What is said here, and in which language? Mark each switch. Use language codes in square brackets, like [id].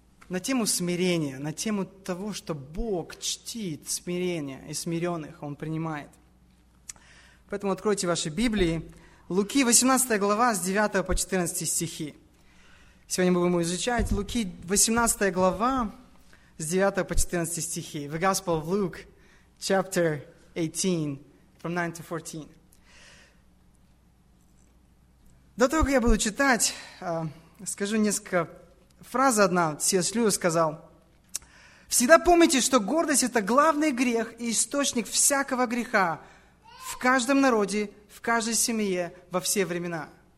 [ru] На тему смирения, на тему того, что Бог чтит смирение, и смиренных Он принимает. Поэтому откройте ваши Библии. Луки, 18 глава, с 9 по 14 стихи. Сегодня будем изучать Луки, 18 глава, с 9 по 14 стихи. [en] The Gospel of Luke, chapter 18, from 9 to 14. [ru] До того, как я буду читать, скажу несколько... Фраза одна, Си.С. Льюис сказал: «Всегда помните, что гордость – это главный грех и источник всякого греха в каждом народе, в каждой семье, во все времена».